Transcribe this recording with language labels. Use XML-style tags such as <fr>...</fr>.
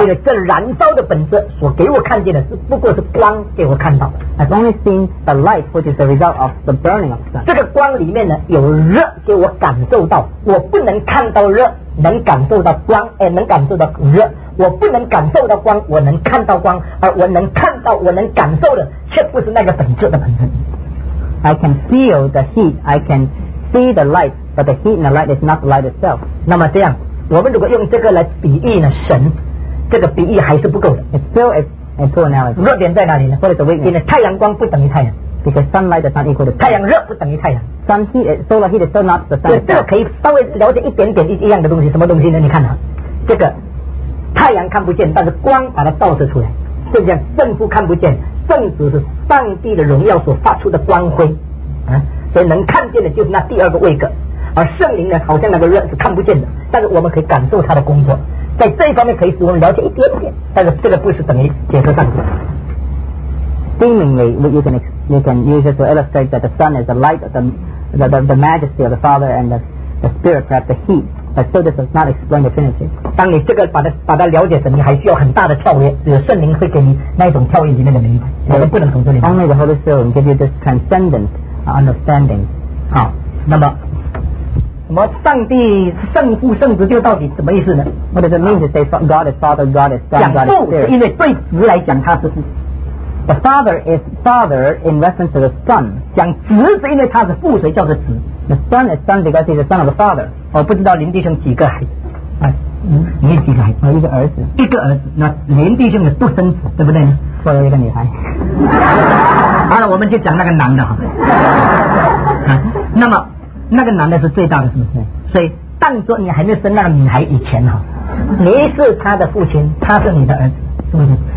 <zh>为了这燃烧的本质所给我看见的是不过是光给我看到的。</zh> <en>I've only seen the light, which is the result of the burning of the sun.</en> <zh>这个光里面呢有热给我感受到，我不能看到热，能感受到光，能感受到热。我不能感受到光，我能看到光，而我能看到，我能感受的却不是那个本质的本质。</zh> <en>I can feel the heat. I can see the light. But the heat and the light is not the light itself.</en> <zh>那么这样，我们如果用这个来比喻呢？神，这个比喻还是不够的。</zh> <en>It still is a poor analogy.</en> <zh>弱点在哪里呢？</zh> <en>What is the weakness?</en> <zh>因为太阳光不等于太阳。</zh> <en>Because sunlight is not equal to</en> <zh>太阳热不等于太阳。</zh> <en>Sun heat, solar heat is still not the sun.</en> <zh>对，这个可以稍微了解一点点一样的东西。什么东西呢？你看啊，这个太阳看不见，但是光把它照射出来。就像圣父看不见，圣子是上帝的荣耀所发出的光辉。所以能看见的就是那第二个位格。而圣灵呢，好像那个热是看不见的，但是我们可以感受他的工作，在这一方面可以使我们了解一点点，但是这个不是等于解释上帝。</zh> <en>Seemingly, you can use it to illustrate that the sun is the light, the majesty of the Father and the Spirit, perhaps the heat, but still this does not explain the Trinity.</en> <zh>当你这个把它了解成，你还需要很大的跳跃，只有圣灵会给你那种跳跃里面的明白，我们不能从这里。</zh> <en>Only the Holy Spirit can give you this transcendent understanding.</en> <zh>好，那么。什么上帝圣父圣子就到底什么意思呢？</zh> <en>What does it mean to say God is Father, God is Son, God is Spirit?</en> <zh>讲父是因为对子来讲他是父。</zh> <en>The father is father in reference to the son.</en> <zh>讲子是因为他是父，所以叫做子。</zh> <en>The son is son because he's the son of the father.</en> <zh>我不知道林弟兄几个孩子。嗯，你几个孩子？我一个儿子。一个儿子，那林弟兄的独生子，对不对？我有一个女孩。好了，我们就讲那个男的哈。那么那个男的是最大的，是不是？所以当作你还没生那个女孩以前哈，你是他的父亲，他是你的儿子，是不是？</zh>